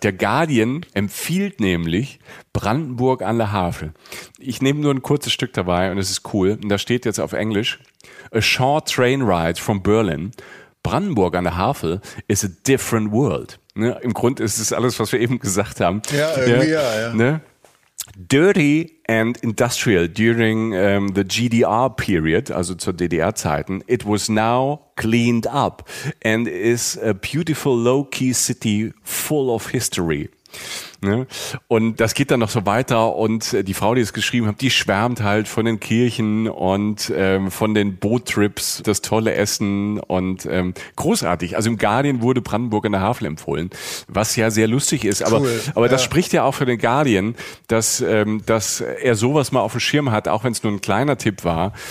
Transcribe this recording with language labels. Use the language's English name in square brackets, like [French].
[German] Der Guardian empfiehlt nämlich Brandenburg an der Havel. Ich nehme nur ein kurzes Stück dabei und es ist cool. Und da steht jetzt auf Englisch, [English] a short train ride from Berlin. Brandenburg an der Havel is a different world. [German] Ne? Im Grunde ist es alles, was wir eben gesagt haben. Ja, irgendwie ja. [English] Dirty and industrial during the GDR period, [German] also zur DDR-Zeiten, [English] it was now cleaned up and is a beautiful low-key city full of history. [German] Ne? Und das geht dann noch so weiter und die Frau, die es geschrieben hat, die schwärmt halt von den Kirchen und von den Boottrips, das tolle Essen und großartig. Also im Guardian wurde Brandenburg an der Havel empfohlen, was ja sehr lustig ist. Aber cool. Aber ja. Das spricht ja auch für den Guardian, dass er sowas mal auf dem Schirm hat, auch wenn es nur ein kleiner Tipp war.